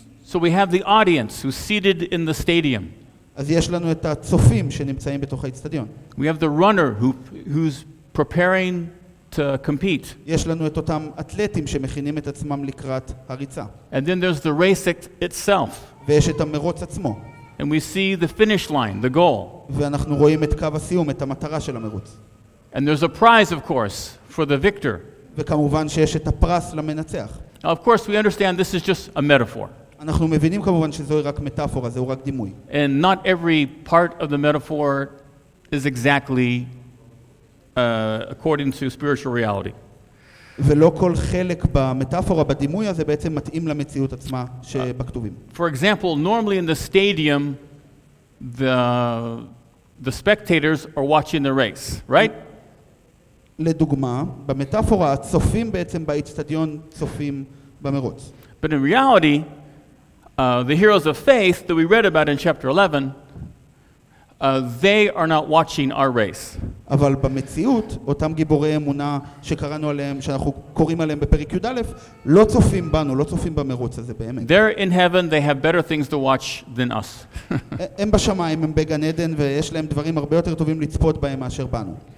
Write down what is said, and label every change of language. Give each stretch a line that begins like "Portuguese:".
English: So we have the audience who's seated in the stadium.
Hebrew: אז יש לנו את הצופים שנמצאים בתוך האצטדיון.
English: We have the runner who's preparing to compete.
Hebrew: יש לנו את אותם אתלטים שמכינים את עצמם לקראת הריצה.
English: And then there's the race itself.
Hebrew: ויש את המרוץ עצמו.
English: And we see the finish line, the goal.
Hebrew: ואנחנו רואים את קו הסיום, את המטרה של המרוץ.
English: And there's a prize of course for the victor.
Hebrew: וכמובן שיש את הפרס למנצח.
English: Of course we understand this is just a metaphor.
Hebrew: אנחנו מבינים כמובן שזו רק מטאפורה, זו רק דימוי.
English: And not every part of the metaphor is exactly according to spiritual reality.
Hebrew: ולא כל חלק במטאפורה בדימוי הזה בעצם מתאים למציאות עצמה שבכתובים.
English: For example, normally in the stadium the spectators are watching the race, right?
Hebrew: לדוגמה, במטאפורה הצופים בעצם באצטדיון צופים במרוץ.
English: But in reality, the heroes of faith that we read about in chapter 11 they are not watching our race.
Hebrew: אבל במציאות אותם גיבורי אמונה שקראנו עליהם שאנחנו קוראים עליהם בפרק י' לא צופים בנו, לא צופים במרוץ הזה באמת.
English: They're in heaven, they have better things to watch than us.
Hebrew: הם בשמיים, הם בגן עדן ויש להם דברים הרבה יותר טובים לצפות בהם מאשר בנו.